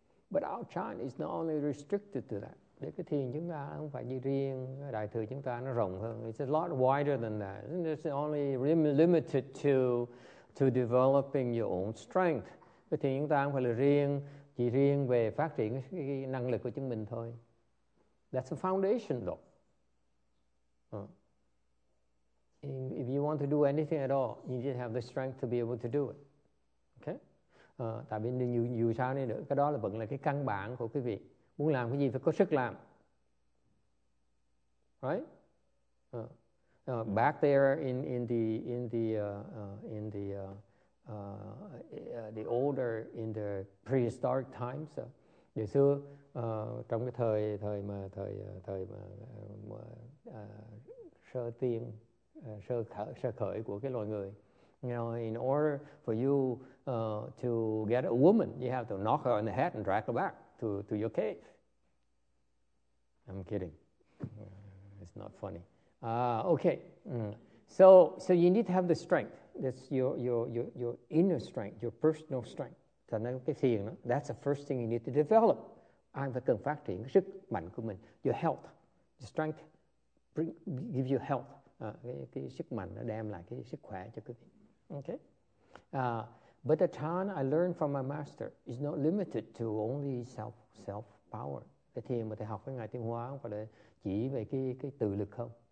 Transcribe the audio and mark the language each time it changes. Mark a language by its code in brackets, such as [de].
[en] But our chan is not only restricted to that. [vi] Để cái thiền chúng ta không phải như riêng đại thừa chúng ta, nó rộng hơn. [en] It's a lot wider than that. It's only limited to developing your own strength. [vi] Cái thiền chúng ta không phải là riêng, chỉ riêng về phát triển cái năng lực của chúng mình thôi. [en] That's the foundation though. If you want to do anything at all, you need to have the strength to be able to do it. Okay? [vi] Tại vì dù sao đi nữa, cái đó là vẫn là cái căn bản của quý vị. Muốn làm cái gì phải có sức làm. [en] Right? Back there in the prehistoric times, [vi] ngày xưa trong cái thời sơ khởi của cái loài người. [en] You know, in order for you to get a woman, you have to knock her on the head and drag her back to your cave. I'm kidding. It's not funny. Okay. So you need to have the strength. That's your inner strength, your personal strength. That's the first thing you need to develop. [vi] And phải cần phát triển cái sức mạnh của mình, [en] your health, the strength, give you health. [vi] Cái sức mạnh nó đem lại cái sức khỏe cho quý vị. [en] Okay. But the chan I learned from my master is not limited to only self power. [vi] Cái thiền mà thầy học với ngài Tiên Hóa không phải là chỉ về cái tự lực không.